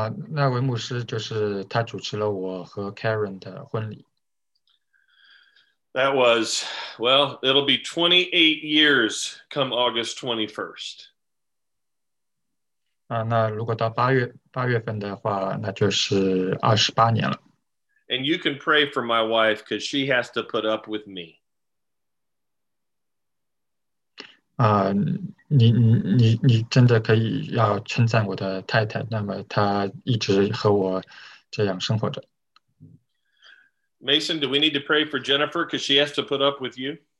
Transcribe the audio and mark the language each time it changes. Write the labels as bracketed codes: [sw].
[zh] 那位牧师就是他主持了我和 Karen 的婚礼。 [en] That was, well, it'll be 28 years come August 21st. [zh] 那如果到八月份的话，那就是28年了。 [en] And you can pray for my wife because she has to put up with me. [zh] 你真的可以要称赞我的太太，那么她一直和我这样生活着。 [en] Mason, do we need to pray for Jennifer because she has to put up with you?